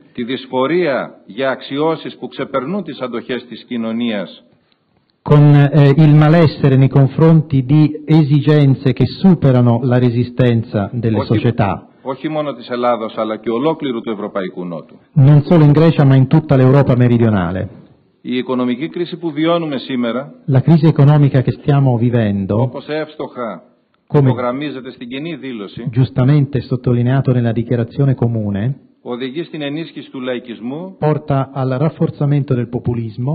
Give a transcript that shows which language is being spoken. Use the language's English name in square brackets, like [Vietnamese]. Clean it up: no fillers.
[Greek] τη δυσφορία για αξιώσεις που ξεπερνούν τις αντοχές της κοινωνίας, [Italian] con il malessere nei confronti di esigenze che superano la resistenza delle società, [Greek] όχι μόνο της Ελλάδος αλλά και ολόκληρου του Ευρωπαϊκού Νότου, [Italian] non solo in Grecia ma in tutta l'Europa meridionale. [Greek] Η οικονομική κρίση που βιώνουμε σήμερα, [Italian] la crisi economica che stiamo vivendo, [Greek] όπως εύστοχα come υπογραμμίζεται στην κοινή δήλωση, [Italian] giustamente sottolineato nella dichiarazione comune, [Greek] οδηγεί στην ενίσχυση του λαϊκισμού, [Italian] porta al rafforzamento del populismo,